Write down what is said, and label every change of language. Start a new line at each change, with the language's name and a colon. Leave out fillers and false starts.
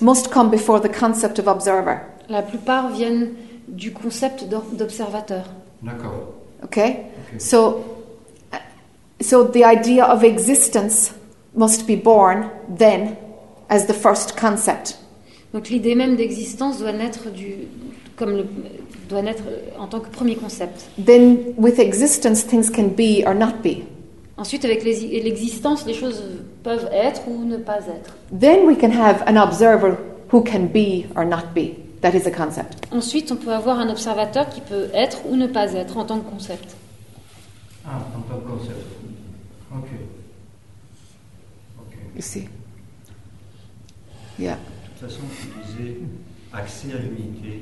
English: Must come before the concept of observer.
French: La plupart viennent du concept d'observateur. D'accord.
English: Okay. So the idea of existence must be born then as the first concept.
French: Donc l'idée même d'existence doit naître du comme le doit naître en tant que premier concept.
English: Then with existence things can be or not be.
French: Ensuite avec l'existence les choses peuvent être ou ne pas être.
English: Then we can have an observer who can be or not be. That is a concept.
French: Ensuite, on peut avoir un observateur qui peut être ou ne pas être en tant que concept. Ah, en tant que concept. OK. OK.
English: You see. Yeah.
French: De toute façon, tu disais accès à l'unité.